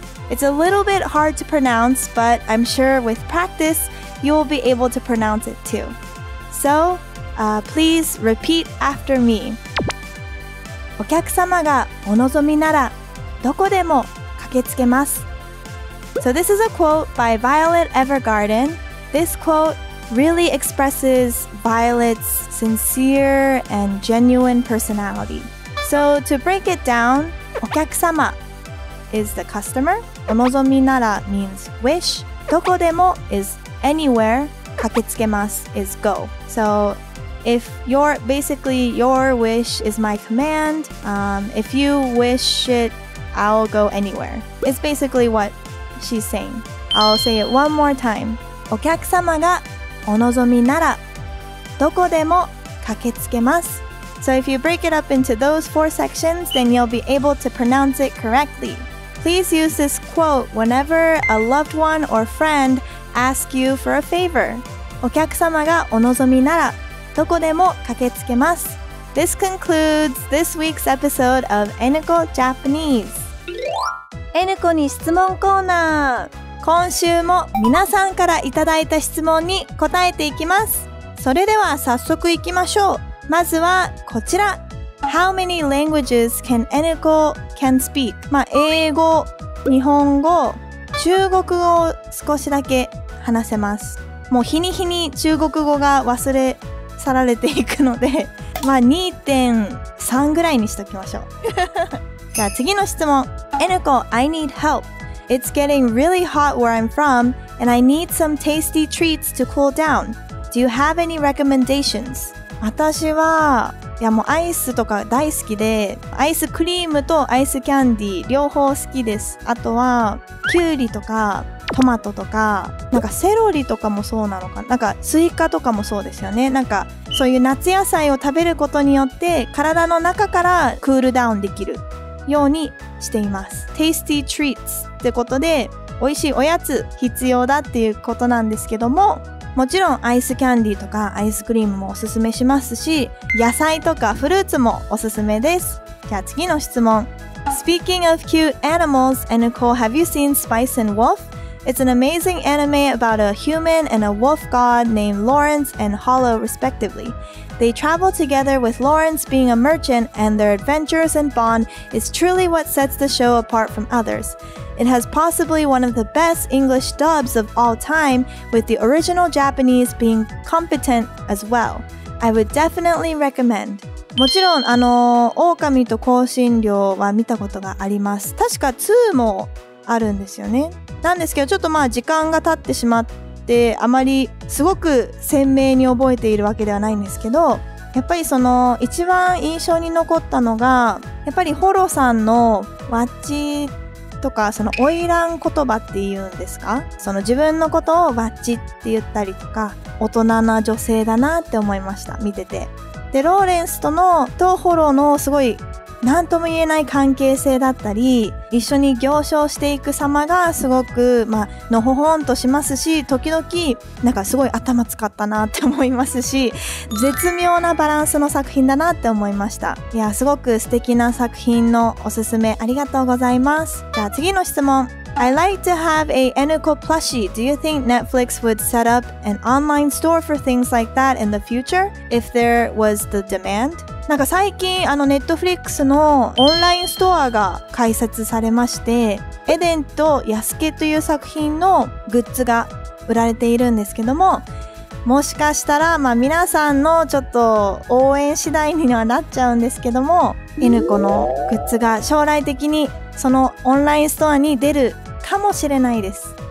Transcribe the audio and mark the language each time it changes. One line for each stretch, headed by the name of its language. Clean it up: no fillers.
English: It's a little bit hard to pronounce, but I'm sure with practice you will be able to pronounce it too. So, please repeat after me.
Japanese: お客様がお望みならどこでも駆けつけます。
English: So this is a quote by Violet Evergarden. This quote really expresses Violet's sincere and genuine personality. So to break it down,
Japanese: お客様
English: is the customer.
Japanese: お望みなら
English: means wish.
Japanese: どこでも
English: is anywhere.
Japanese: 駆けつけます
English: is go. So if your, basically your wish is my command, if you wish it, I'll go anywhere. It's basically what she's saying. I'll say it one more time.
Japanese: お客様がお望みならどこでも駆けつけます。
English: So if you break it up into those four sections, then you'll be able to pronounce it correctly. Please use this quote whenever a loved one or friend asks you for a favor.
Japanese: お客様がお望みならどこでも駆けつけます。
English: This concludes this week's episode of Eneko Japanese.
Japanese: Eneko に質問コーナー、今週も皆さんからいただいた質問に答えていきます。それでは早速いきましょう。まずはこちら。
English: How many languages can Eneko can speak?
Japanese: 英語、日本語、中国語を少しだけ話せます。もう日に日に中国語が忘れ去られていくので、まあ 2.3 ぐらいにしときましょうじゃあ次の質問。
English: Eneko, I need help. It's getting really hot where I'm from, and I need some tasty treats to cool down. Do you have any recommendations?
Japanese: 私は、いやもうアイスとか大好きで、アイスクリームとアイスキャンディー両方好きです。あとは、キュウリとかトマトとか、なんかセロリとかもそうなのかな。なんかスイカとかもそうですよね。なんかそういう夏野菜を食べることによって、体の中からクールダウンできるようにしています。
English: Tasty treats.
Japanese: ってことで、美味しいおやつ必要だっていうことなんですけども、もちろんアイスキャンディーとかアイスクリームもおすすめしますし、野菜とかフルーツもおすすめです。じゃあ次の質問。
English: Speaking of cute animals, Eneko, have you seen Spice and Wolf? It's an amazing anime about a human and a wolf god named Lawrence and Hollow respectively. They travel together with Lawrence being a merchant, and their adventures and bond is truly what sets the show apart from othersIt has possibly one of the best English dubs of all time, with the original Japanese being competent as well. I would definitely recommend.
Japanese: もちろん、狼と香辛料は見たことがあります。確か2もあるんですよね。なんですけど、ちょっとまあ時間が経ってしまって、あまりすごく鮮明に覚えているわけではないんですけど、やっぱりその一番印象に残ったのが、やっぱりホロさんのワッチとか、そのオイラン言葉っていうんですか、その自分のことをワッチって言ったりとか、大人な女性だなって思いました、見てて。でローレンスとのとホロのすごい何とも言えない関係性だったり、一緒に行商していく様がすごく、まあのほほんとしますし、時々なんかすごい頭使ったなって思いますし、絶妙なバランスの作品だなって思いました。いやすごく素敵な作品のおすすめありがとうございます。じゃあ次の質問。
English: I like to have a Eneko plushie. Do you think Netflix would set up an online store for things like that in the future if there was the demand?
Japanese: なんか最近あのネットフリックスのオンラインストアが開設されまして、エデンとヤスケという作品のグッズが売られているんですけども、もしかしたら、まあ、皆さんのちょっと応援次第にはなっちゃうんですけども、N子のグッズが将来的にそのオンラインストアに出るかもしれないです。